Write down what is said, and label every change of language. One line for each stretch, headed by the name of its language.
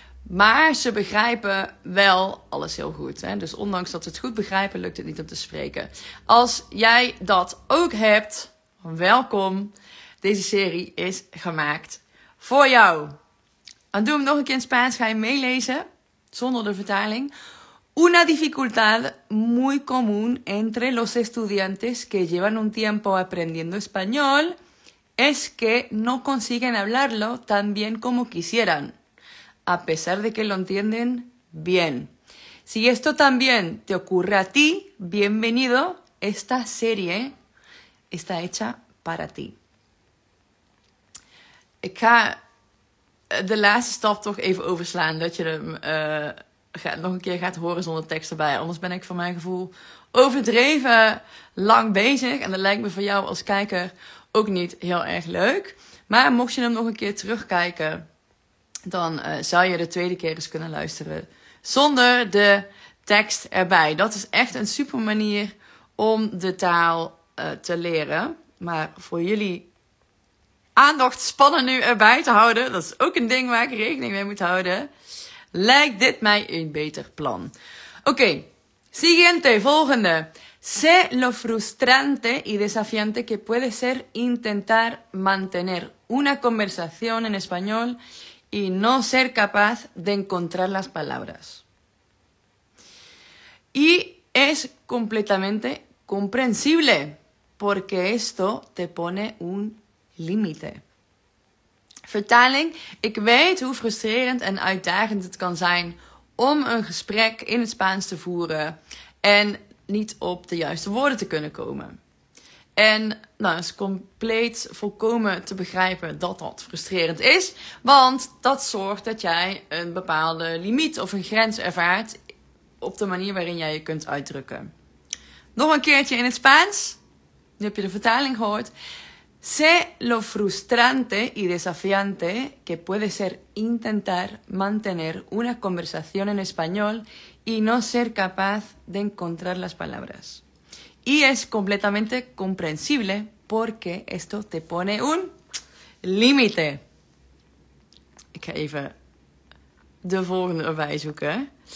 Dutch: Maar ze begrijpen wel alles heel goed. Hè? Dus ondanks dat ze het goed begrijpen, lukt het niet om te spreken. Als jij dat ook hebt, welkom. Deze serie is gemaakt voor jou. Dan doen we hem nog een keer in Spaans. Ga je meelezen, zonder de vertaling.
Spanish: Una dificultad muy común entre los estudiantes que llevan un tiempo aprendiendo español es que no consiguen hablarlo tan bien como quisieran. A pesar de que lo entienden bien. Si esto también te ocurre a ti, bienvenido. Esta serie está hecha para ti.
Dutch: Ik ga de laatste stap toch even overslaan. Dat je hem nog een keer gaat horen zonder tekst erbij. Anders ben ik van mijn gevoel overdreven lang bezig. En dat lijkt me voor jou als kijker ook niet heel erg leuk. Maar mocht je hem nog een keer terugkijken, dan zou je de tweede keer eens kunnen luisteren zonder de tekst erbij. Dat is echt een super manier om de taal te leren. Maar voor jullie aandacht spannen nu erbij te houden, dat is ook een ding waar ik rekening mee moet houden, lijkt dit mij een beter plan. Oké,
Spanish: siguiente,
Dutch: volgende.
Spanish: Sé lo frustrante y desafiante que puede ser intentar mantener una conversación en español y no ser capaz de encontrar las palabras. Y es completamente comprensible, porque esto te pone un límite.
Dutch: Vertaling, ik weet hoe frustrerend en uitdagend het kan zijn om een gesprek in het Spaans te voeren en niet op de juiste woorden te kunnen komen. En nou, het is compleet volkomen te begrijpen dat dat frustrerend is, want dat zorgt dat jij een bepaalde limiet of een grens ervaart op de manier waarin jij je kunt uitdrukken. Nog een keertje in het Spaans. Nu heb je de vertaling gehoord.
Spanish: Sé lo frustrante y desafiante que puede ser intentar mantener una conversación en español y no ser capaz de encontrar las palabras. Y es completamente comprensible porque esto te pone un límite.
Dutch: Ik ga even de volgende erbij zoeken.